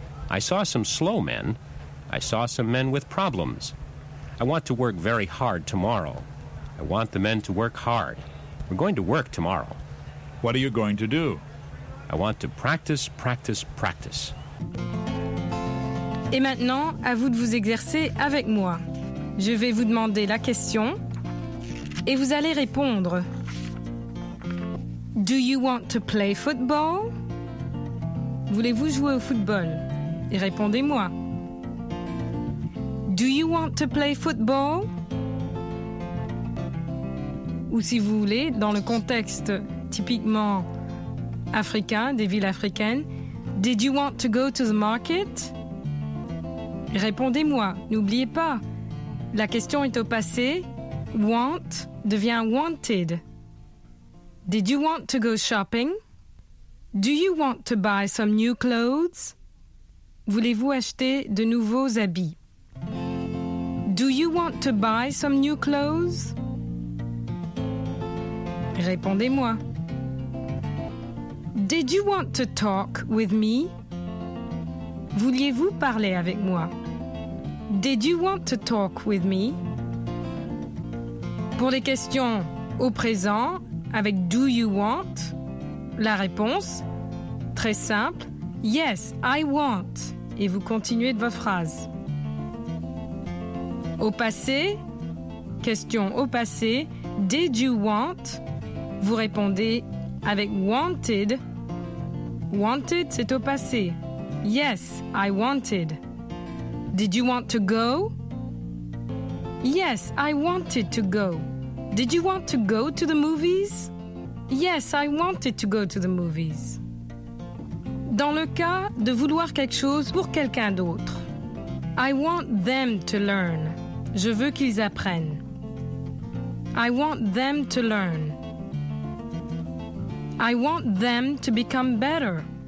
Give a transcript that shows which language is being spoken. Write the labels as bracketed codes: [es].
[en] I saw some slow men. I saw some men with problems. I want to work very hard tomorrow. I want the men to work hard. We're going to work tomorrow. What are you going to do? I want to practice, practice, practice. [fr] Et maintenant, à vous de vous exercer avec moi. Je vais vous demander la question et vous allez répondre. [en] Do you want to play football? [fr] Voulez-vous jouer au football? Et répondez-moi. [en] Do you want to play football? [fr] Ou si vous voulez, dans le contexte typiquement africain, des villes africaines, [en] did you want to go to the market? [fr] Répondez-moi. N'oubliez pas, la question est au passé. Want devient wanted. [en] Did you want to go shopping? Do you want to buy some new clothes? [fr] Voulez-vous acheter de nouveaux habits? [en] Do you want to buy some new clothes? [fr] Répondez-moi. [en] Did you want to talk with me? [fr] Vouliez-vous parler avec moi? [en] Did you want to talk with me? [fr] Pour les questions au présent, avec « [en] Do you want ?», [fr] la réponse, très simple, « [en] Yes, I want. [fr] » Et vous continuez de votre phrase. Au passé, question au passé, « [en] Did you want ?» [fr] Vous répondez avec « Wanted. » « Wanted », c'est au passé. [en] « Yes, I wanted. » « Did you want to go ?»« Yes, I wanted to go. » « Did you want to go to the movies ?» Yes, I wanted to go to the movies. [fr] Dans le cas de vouloir quelque chose pour quelqu'un d'autre. [en] I want them to learn. [fr] Je veux qu'ils apprennent. [en] I want them to learn. I want them to become better.